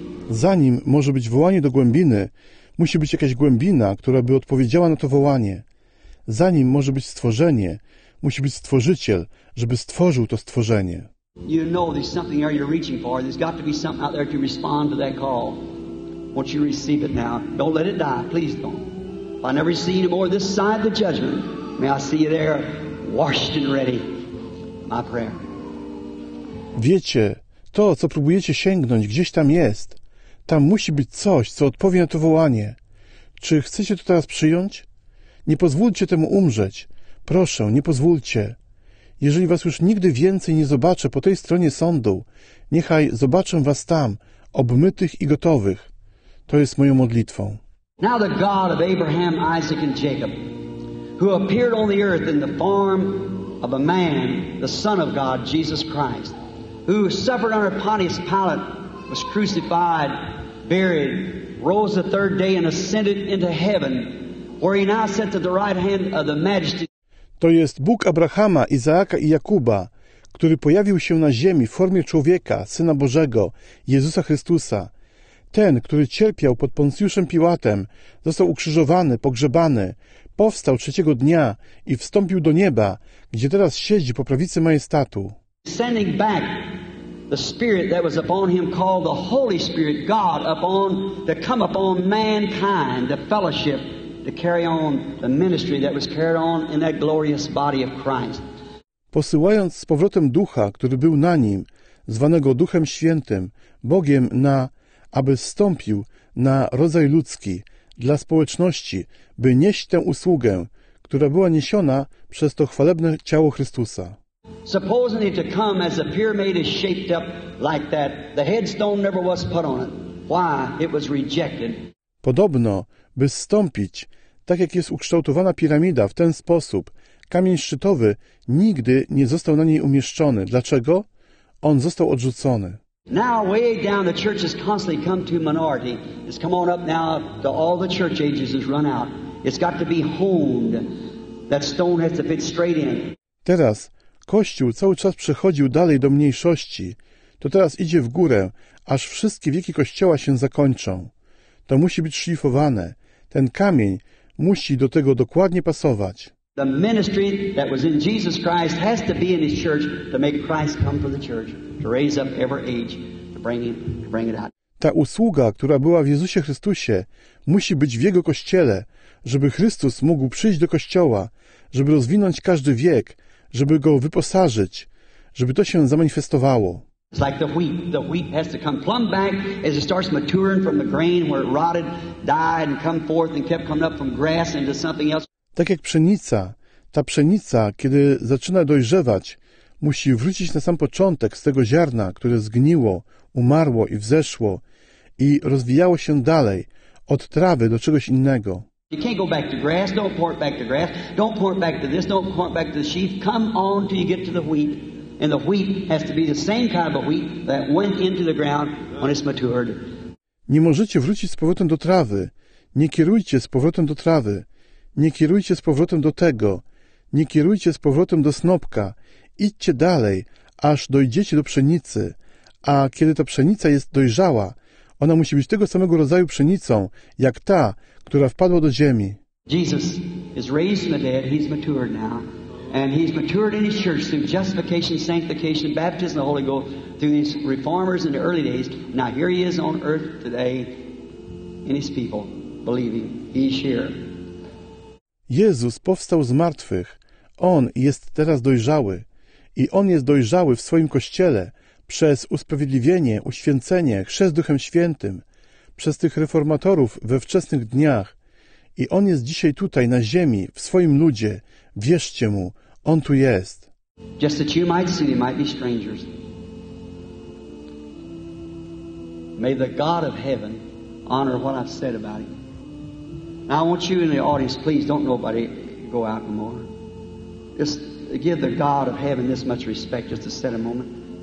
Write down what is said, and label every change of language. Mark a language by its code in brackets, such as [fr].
[pl] Zanim może być wołanie do głębiny, musi być jakaś głębina, która by odpowiedziała na to wołanie. Zanim może być stworzenie, musi być stworzyciel, żeby stworzył to stworzenie. [en] You know there's something there you're reaching for. There's got to be something out there to respond to that call. Won't you receive it now? Don't let it die. Please don't. I never see you more this side of the judgment. May I see you there, washed and ready. My prayer. [pl] Wiecie, to, co próbujecie sięgnąć, gdzieś tam jest. Tam musi być coś, co odpowie na to wołanie. Czy chcecie to teraz przyjąć? Nie pozwólcie temu umrzeć. Proszę, nie pozwólcie. Jeżeli was już nigdy więcej nie zobaczę po tej stronie sądu, niechaj zobaczę was tam, obmytych i gotowych. To jest moją modlitwą. [en] Now the God of Abraham, Isaac, and Jacob, who appeared on the earth in the form of a man, the Son of God, Jesus Christ, who suffered under Pontius Pilate, was crucified, buried, rose the third day and ascended into heaven, where he now sits at the right hand of the majesty. [pl] To jest Bóg Abrahama, Izaaka i Jakuba, który pojawił się na ziemi w formie człowieka, Syna Bożego, Jezusa Chrystusa, Ten, który cierpiał pod Poncjuszem Piłatem, został ukrzyżowany, pogrzebany, powstał trzeciego dnia i wstąpił do nieba, gdzie teraz siedzi po prawicy majestatu. [en] Sending back the spirit that was upon him called the Holy Spirit, God, upon to come upon mankind, the fellowship, to carry on the ministry that was carried on in that glorious body of Christ. [pl] Posyłając z powrotem Ducha, który był na nim, zwanego Duchem Świętym, Bogiem na, aby zstąpił na rodzaj ludzki, dla społeczności, by nieść tę usługę, która była niesiona przez to chwalebne ciało Chrystusa. [en] Supposedly to come as a pyramid is shaped up like that, the headstone never was put on it. Why? It was rejected. [pl] Podobno, by zstąpić, tak jak jest ukształtowana piramida w ten sposób, kamień szczytowy nigdy nie został na niej umieszczony. Dlaczego? On został odrzucony. [en] Now way down the church has constantly come to minority. It's come on up now to all the church ages has run out. It's got to be honed. That stone has to fit straight in. [pl] Teraz Kościół cały czas przechodził dalej do mniejszości. To teraz idzie w górę, aż wszystkie wieki Kościoła się zakończą. To musi być szlifowane. Ten kamień musi do tego dokładnie pasować. [en] The ministry that was in Jesus Christ has to be in his church to make Christ come for the church, to raise up every age, to bring it out. [pl] Ta usługa, która była w Jezusie Chrystusie, musi być w Jego Kościele, żeby Chrystus mógł przyjść do Kościoła, żeby rozwinąć każdy wiek, żeby go wyposażyć, żeby to się zamanifestowało. [en] It's like the wheat has to come plumb back as it starts maturing from the grain where it rotted, died and come forth and kept coming up from grass into something else. [pl] Tak jak pszenica, ta pszenica, kiedy zaczyna dojrzewać, musi wrócić na sam początek z tego ziarna, które zgniło, umarło i wzeszło i rozwijało się dalej, od trawy do czegoś innego. [en] You can't go back to grass, don't point back to grass, don't point back to this, don't point back to the sheaf, come on till you get to the wheat. And the wheat has to be the same kind of wheat that went into the ground when it's matured. [pl] Nie możecie wrócić z powrotem do trawy, nie kierujcie z powrotem do trawy. Nie kierujcie z powrotem do tego, nie kierujcie z powrotem do snopka. Idźcie dalej, aż dojdziecie do pszenicy. A kiedy ta pszenica jest dojrzała, ona musi być tego samego rodzaju pszenicą, jak ta, która wpadła do ziemi. [en] Jesus is raised from the dead, he's matured now. And he's matured in his church through justification, sanctification, baptism of the Holy Ghost, through these reformers in the early days. Now here he is on earth today, in his people, believing, he's here. [pl] Jezus powstał z martwych. On jest teraz dojrzały. I On jest dojrzały w swoim Kościele przez usprawiedliwienie, uświęcenie, chrzest Duchem Świętym, przez tych reformatorów we wczesnych dniach. I On jest dzisiaj tutaj na ziemi, w swoim ludzie. Wierzcie Mu, On tu jest. [en] Just that you might see, you might be strangers. May the God of heaven honor what I've said about him. Now I want you in the audience, please don't nobody go out no more. Just give the God of heaven this much respect, just to set a moment.